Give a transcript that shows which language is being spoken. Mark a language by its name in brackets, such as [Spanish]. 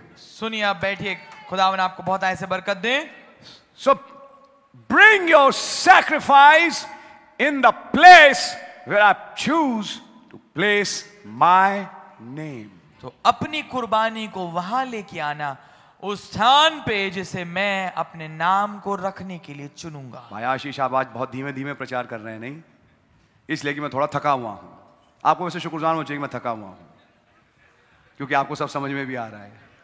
[Hindi] सुनिए आप बैठिए, खुदावन आपको बहुत ऐसे बरकत दे। [English] So bring your sacrifice in the place where I choose to place my name. [Hindi] तो अपनी कुर्बानी को वहां लेके आना, उस स्थान पे जिसे मैं अपने नाम को रखने के लिए चुनूंगा। भाई आशीष आप आज बहुत धीमे धीमे प्रचार कर रहे हैं, नहीं इसलिए कि मैं थोड़ा थका हुआ हूं। आपको वैसे शुक्रगुजार होना चाहिए मैं थका हुआ हूं, क्योंकि आपको सब समझ में भी आ रहा है।